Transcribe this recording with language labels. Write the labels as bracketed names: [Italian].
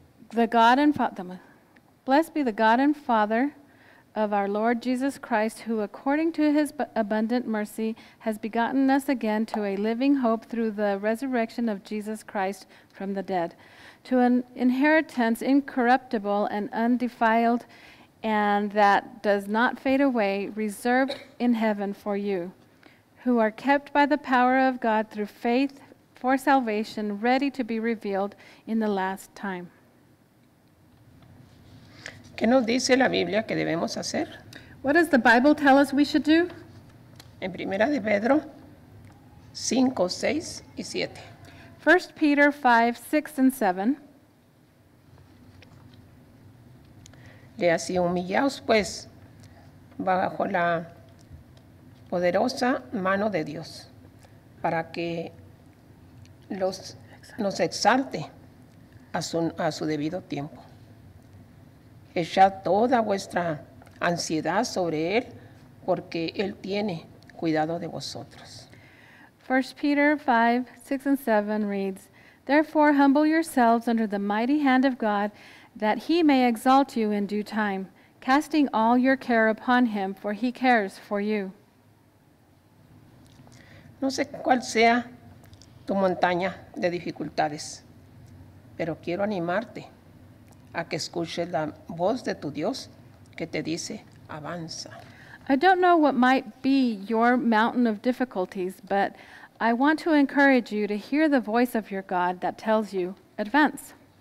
[English] Blessed be the God and Father of our Lord Jesus Christ, who according to his abundant mercy has begotten us again to a living hope through the resurrection of Jesus Christ from the dead, to an inheritance incorruptible and undefiled and that does not fade away, reserved in heaven for you, who are kept by the power of God through faith for salvation, ready to be revealed in the last time. [Spanish] ¿Qué nos dice la Biblia que debemos hacer? [English] What does the Bible tell us we should do? [Spanish] En primera de Pedro 5, 6 y 7. [English] 1 Peter 5, 6 and 7. [Spanish] Lea así, humillaos pues bajo la poderosa mano de Dios para que nos exalte a su debido tiempo. Echad toda vuestra ansiedad sobre él porque él tiene cuidado de vosotros. [English] 1 Peter 5, 6 and 7 reads, therefore humble yourselves under the mighty hand of God, that he may exalt you in due time, casting all your care upon him, for he cares for you. [Spanish] No sé cuál sea tu montaña de dificultades, pero quiero animarte a que escuches la voz de tu Dios que te dice, avanza. [English] I don't know what might be your mountain of difficulties, but I want to encourage you to hear the voice of your God that tells you, advance.